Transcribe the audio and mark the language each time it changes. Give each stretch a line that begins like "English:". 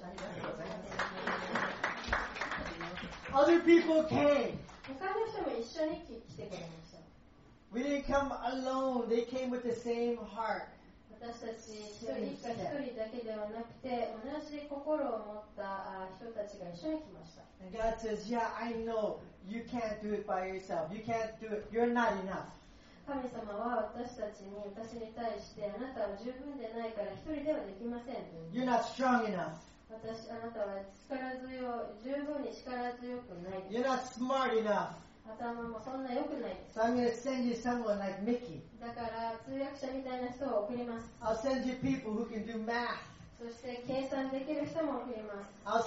Japanese: ありがとうございます。
English: Other people came.
Japanese: 他の人も一緒に来てくれました。
English: We didn't come alone. They came with the same heart.
Japanese: 私たち一人一人だけではなくて同じ心を持った人たちが一緒に来ました。
English: And God says, Yeah, I know you can't do it by yourself. You can't do it. You're not enough.
Japanese: 神様は私たちに私に対してあなたは十分でないから一人ではできません。
English: You're not strong enough.
Japanese: 私あなたは力強い十分に力強くない。
English: You're not smart enough.
Japanese: 頭もそんな良くない。
English: So I'm gonna send you someone like Mickey.
Japanese: だから通訳者みたいな人を送ります。
English: I'll send you people who can do math.
Japanese: そして計算できる人も送ります。